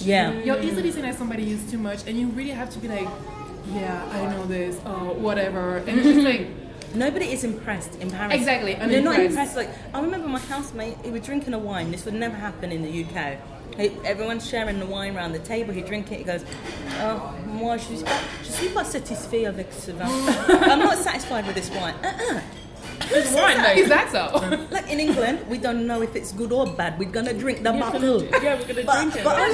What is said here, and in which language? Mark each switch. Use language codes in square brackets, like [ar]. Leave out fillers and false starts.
[en] You're easily seen as somebody who's too much, and you really have to be like, yeah, I know this, oh whatever, and it's just like nobody is impressed in Paris. Exactly. They're not impressed. Like, I remember my housemate, he was drinking a wine. This would never happen in the UK. Everyone's sharing the wine around the table. He drinks it. He goes, [fr] oh, moi, je suis pas satisfait avec ce vin. [en] I'm not satisfied with this wine. It's wine, though. Is that so? Like, in England, we don't know if it's good or bad. We're going to drink the bottle. Yeah, we're going to drink it.